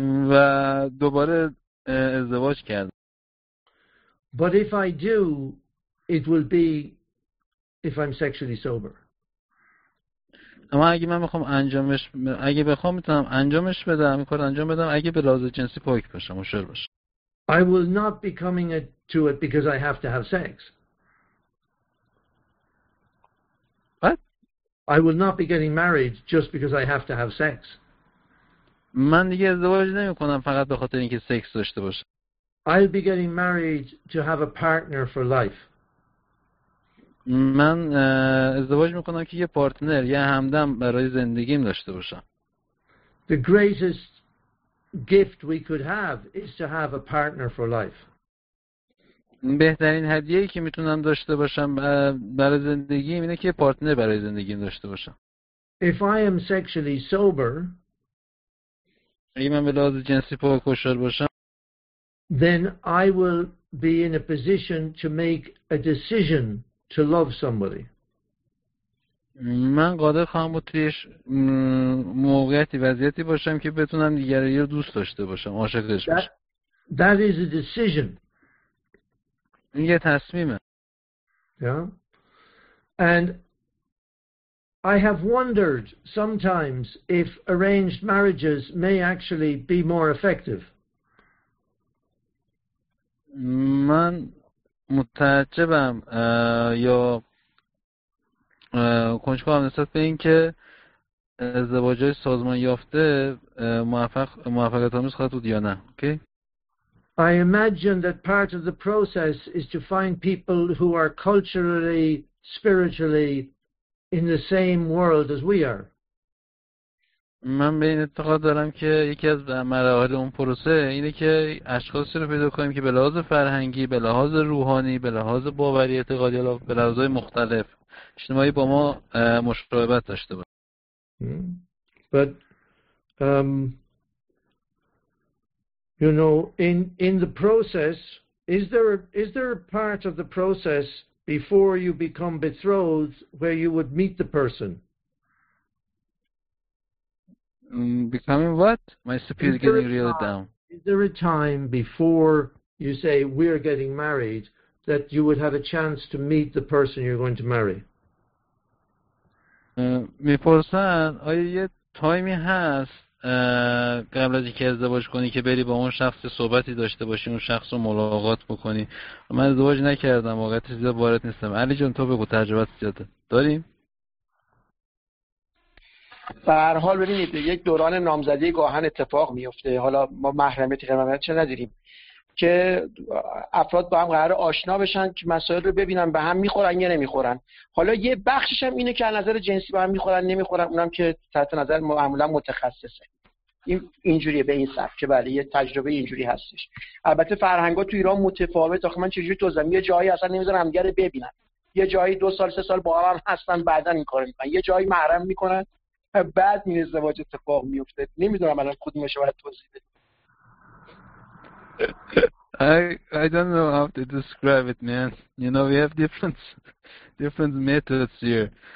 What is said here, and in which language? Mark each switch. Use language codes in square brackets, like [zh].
[fa] و دوباره ازدواج کردم. [en] But if I do, it will be if I'm sexually sober. [fa] اما اگه من بخوام انجامش اگه بخوام میتونم انجامش بدم میکنم انجام بدم اگه به لحاظ جنسی پاک باشم مشور باشم. [en] I will not be coming to it because I have to have sex. What? I will not be getting married just because I have to have sex. [fa] من دیگه ازدواج نمی‌کنم فقط به خاطر اینکه سکس داشته باشم. [en] I'll be getting married to have a partner for life. [fa] من ازدواج می‌کنم که یه پارتنر یا همدم برای زندگیم داشته باشم. [en] The greatest gift we could have is to have a partner for life. [fa] بهترین هدیه‌ای که میتونم داشته باشم برای زندگیم اینه که پارتنر برای زندگیم داشته باشم. [en] If I am sexually sober, [fa] اگه من به لحاظ جنسی پاک و شور باشم, [en] then I will be in a position to make a decision to love somebody. [fa] من قادر خواهم بود توی موقعیتی وضعیتی باشم که بتونم دیگری رو دوست داشته باشم عاشقش باشم. [en] That is a decision. [fa] این یه تصمیمه. [en] Yeah. And I have wondered sometimes if arranged marriages may actually be more effective. [fa] من متعجبم یا کنجکاوم نسبت به اینکه ازدواج سازمان یافته موفقیت‌آمیز خواهد بود یا نه. [en] I imagine that part of the process is to find people who are culturally, spiritually in the same world as we are. [fa] من به این اعتقاد دارم که یکی از مراحل اون پروسه اینه که اشخاصی رو پیدا کنیم که به لحاظ فرهنگی، به لحاظ روحانی، به لحاظ باوری اعتقادی، به لحاظ مختلف اجتماعی با ما مشابهت داشته باشه. [en] But you know, in the process, is there a part of the process before you become betrothed where you would meet the person? Becoming what? My superior is getting real down. Is there a time before you say we are getting married that you would have a chance to meet the person you're going to marry? [fa] میپرسن آیا یه تایمی هست قبل از اینکه ازدواج کنی که بری با اون شخص صحبتی داشته باشی اون شخص رو ملاقات بکنی؟ من ازدواج نکردم واقعیت زیاد وارد نیستم. علی جان تو بگو تجربت زیاده داریم؟ به هر حال ببینید یک دوران نامزدی گاهن اتفاق میفته. حالا ما محرمیتی قرمانیت چه نداریم که افراد با هم قرار آشنا بشن که مسائل رو ببینن به هم میخورن یا نمیخورن. حالا یه بخشش هم اینه که از نظر جنسی با هم میخورن نمیخورن، اونم که تحت نظر معمولا متخصصه. اینجوریه به این سبب که بله یه تجربه اینجوری هستش. البته فرهنگا تو ایران متفاوت. آخه من چجوری تو زمین یه جایی اصلا نمیذارم همدیگه رو ببینن، یه جایی دو سال سه سال با هم هستن بعدن این کارو میکنن، یه جایی محرم میکنن بعد این ازدواج اتفاق میفته. نمیدونم الان کدومش رو باید توضیح بدم. [en] I don't know how to describe it, man. You know, we have different methods here.